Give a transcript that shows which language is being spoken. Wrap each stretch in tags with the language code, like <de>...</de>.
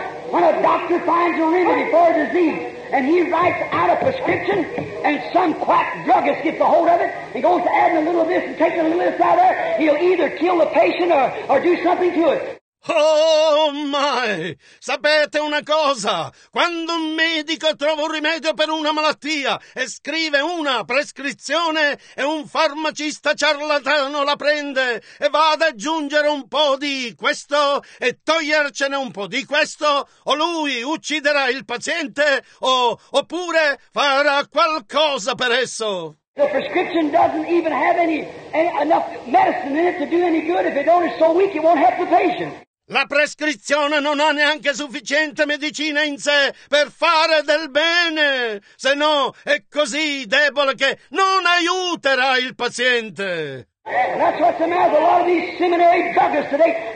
<en>When a doctor finds a remedy for a disease, and he writes out a prescription, and some quack druggist gets a hold of it, and goes to adding a little of this and taking a little of this out of there, he'll either kill the patient or do something to it. Oh my!</en> <it>Sapete una cosa? Quando un medico trova un rimedio per una malattia e scrive una prescrizione e un farmacista ciarlatano la prende e va ad aggiungere un po' di questo e togliercene un po' di questo, o lui ucciderà il paziente oppure farà qualcosa per esso.</it> <en>The prescription doesn't even have enough medicine in it to do any good. If it don't, it's so weak it won't help the patient.</en> <it>La prescrizione non ha neanche sufficiente medicina in sé per fare del bene, se no è così debole che non aiuterà il paziente.</it> <en>And that's what's the matter with a lot of these seminary druggists today.</en>